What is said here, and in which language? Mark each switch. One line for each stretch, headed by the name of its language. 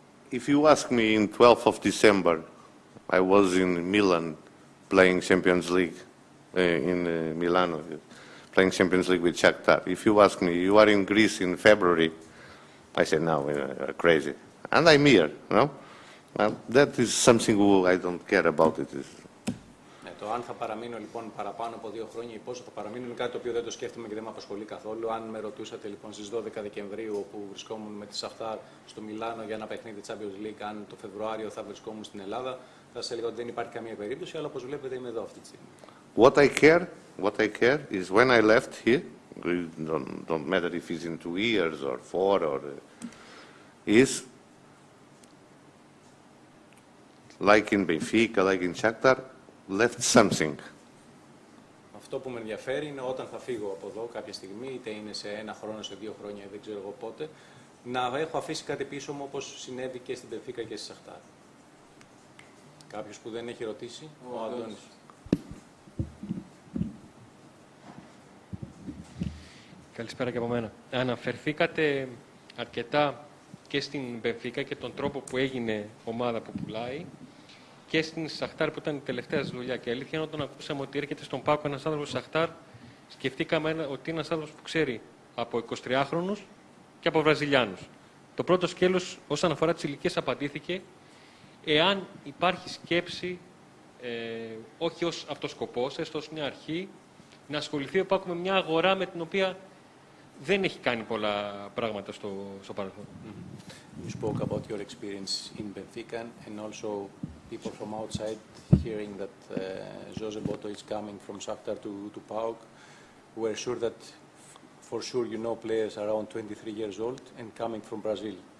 English: If you ask me, in 12th of December, I was in Milan playing Champions League Milano, playing Champions League with Shakhtar. If you ask me, you are in Greece in February, I say no, you're crazy. And I'm here, no? Well, that is something who I don't care about it.
Greek: Το αν θα παραμείνω λοιπόν παραπάνω από 2 χρόνια ή πόσο θα παραμείνω είναι κάτι το οποίο δεν το σκέφτομαι και δεν με απασχολεί καθόλου. Αν με ρωτούσατε λοιπόν στις 12 Δεκεμβρίου όπου βρισκόμουν με τη Σαχτάρ στο Μιλάνο για ένα παιχνίδι Champions League, αν το Φεβρουάριο θα βρισκόμουν στην Ελλάδα, θα σας έλεγα ότι δεν υπάρχει καμία περίπτωση, αλλά όπως βλέπετε είμαι εδώ αυτή τη στιγμή.
English: What I care is when I left here, don't matter if it's in 2 years or 4 or is like in Benfica, like in Shakhtar, left something.
Greek: Αυτό που με ενδιαφέρει είναι όταν θα φύγω από εδώ κάποια στιγμή, είτε είναι σε 1 χρόνο, σε 2 χρόνια, δεν ξέρω εγώ πότε, να έχω αφήσει κάτι πίσω μου όπως συνέβη και στην Μπενφίκα και στη Σαχτάρ. Κάποιος που δεν έχει ρωτήσει, ο Αντώνης. Καλησπέρα και από μένα. Αναφερθήκατε αρκετά και στην Μπενφίκα και τον τρόπο που έγινε ομάδα που πουλάει, και στην Σαχτάρ που ήταν η τελευταία σας δουλειά. Και αλήθεια είναι όταν ακούσαμε ότι έρχεται στον ΠΑΟΚ ένας άνθρωπος Σαχτάρ, σκεφτήκαμε ότι είναι ένας άνθρωπος που ξέρει από 23χρονους και από Βραζιλιάνους. Το πρώτο σκέλος όσον αφορά τις ηλικίες απαντήθηκε. Εάν υπάρχει σκέψη, όχι ως αυτός σκοπός, έστω ως μια αρχή, να ασχοληθεί ο ΠΑΟΚ με μια αγορά με την οποία δεν έχει κάνει πολλά πράγματα στο παρελθόν.
English: You spoke about your experience in Benfica and also people from outside hearing that Jose Boto is coming from Shakhtar to PAOK. We're sure that for sure you know players around 23 years old and coming from Brazil.